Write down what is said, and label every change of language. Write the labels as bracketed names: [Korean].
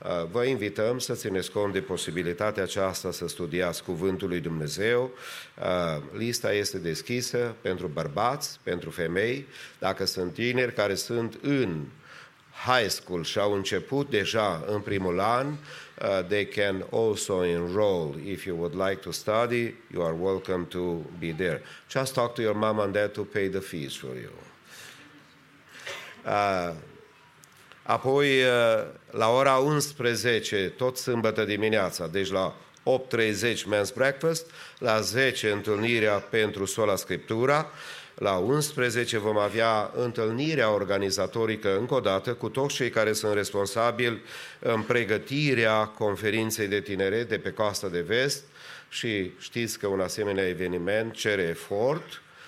[Romanian] Vă invităm să țineți cont de posibilitatea aceasta să studiați Cuvântul lui Dumnezeu. Lista este deschisă pentru bărbați, pentru femei. Dacă sunt tineri care sunt în high school și au început deja în primul an, [English] they can also enroll. If you would like to study, you are welcome to be there. Just talk to your mom and dad to pay the fees for you. [Romanian] Apoi, la ora 11, tot sâmbătă dimineața, deci la 8:30 men's breakfast, la 10 întâlnirea pentru Sola Scriptura, la 11 vom avea întâlnirea organizatorică încă o dată cu toți cei care sunt responsabili în pregătirea conferinței de tineret de pe Coasta de Vest și știți că un asemenea eveniment cere efort,